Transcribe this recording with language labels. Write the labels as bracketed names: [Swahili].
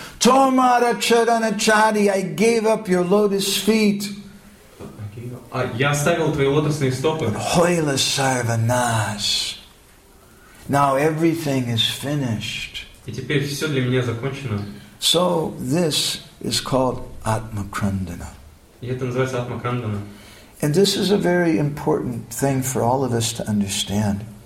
[Bangla] Tomara charana chadi, [English] I gave up your lotus feet. [Russian] Я оставил твои лотосные стопы. [Bangla] Hoyla sarvanas. [English] Now everything is finished. [Russian] И теперь все для меня закончено. [English] So this is called Atma Krandana. And this is a very important thing for all of us to understand.